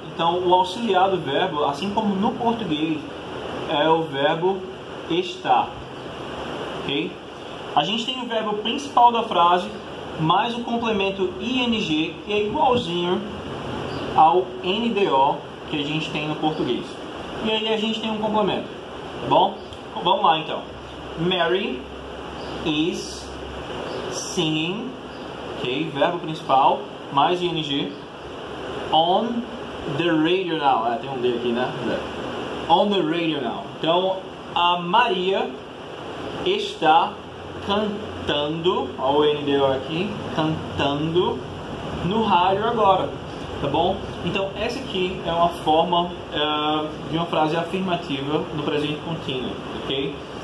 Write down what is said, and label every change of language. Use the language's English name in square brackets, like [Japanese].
[Portuguese] Então o auxiliar do verbo, assim como no português, é o verbo estar, ok? A gente tem o verbo principal da frase mais o complemento ing, que é igualzinho ao NDO que a gente tem no português. E aí a gente tem um complemento, tá bom? Vamos lá então. [English] Mary is singing, ok, [Portuguese] verbo principal, mais [English] ing, on the radio now. [Portuguese] Tem um D aqui, né? [English] On the radio now. [Portuguese] Então, a Maria está cantando, olha o NDO aqui, cantando no rádio agora, tá bom? Então, essa aqui é uma forma de uma frase afirmativa no presente contínuo, ok?